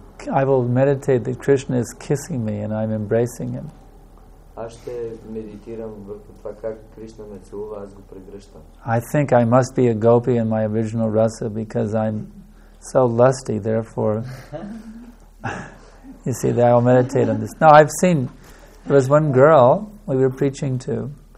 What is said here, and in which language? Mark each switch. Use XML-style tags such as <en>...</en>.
<en>I will meditate that Krishna is kissing me and I'm embracing him.</en> <bg>Аз ще медитирам върху това как Кришна ме целува, аз го прегръщам.</bg> <en>I think I must be a gopi in my original rasa because I'm so lusty, therefore, you see, that I will meditate on this. No, I've seen, there was one girl we were preaching to.</en>